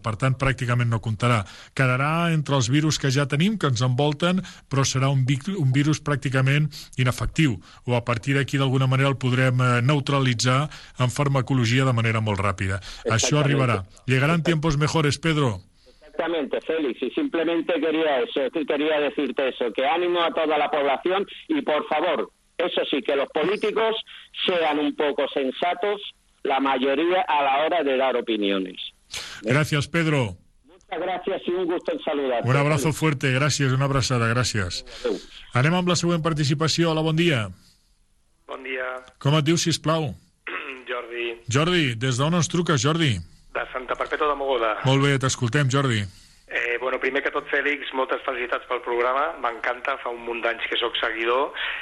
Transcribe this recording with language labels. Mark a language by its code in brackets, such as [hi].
[ca] Per tant, pràcticament no comptarà. Quedarà entre els virus que ja tenim, que ens envolten, però serà un virus pràcticament inefectiu. O a partir d'aquí, d'alguna manera, el podrem neutralitzar en farmacologia de manera molt ràpida. Això arribarà. [es] Llegaran tiempos mejores, Pedro. Exactamente, Félix, y simplemente quería eso, quería decirte eso, que ánimo a toda la población y, por favor, eso sí, que los políticos sean un poco sensatos, la mayoría, a la hora de dar opiniones. Gracias, Pedro. Muchas gracias y un gusto en saludarte. Un abrazo fuerte, gracias, [ca] una abrazada, [es] gracias. Adiós. [ca] Anem amb la següent participació. Hola, bon dia. Bon dia. Com et dius, sisplau? Jordi. Jordi, des d'on ens truques, Jordi? De Santa Perpètua de Mogoda. Molt bé, t'escoltem, Jordi. Bueno, primer que tot, Fèlix, moltes felicitats pel programa. M'encanta, fa un munt d'anys que sóc seguidor.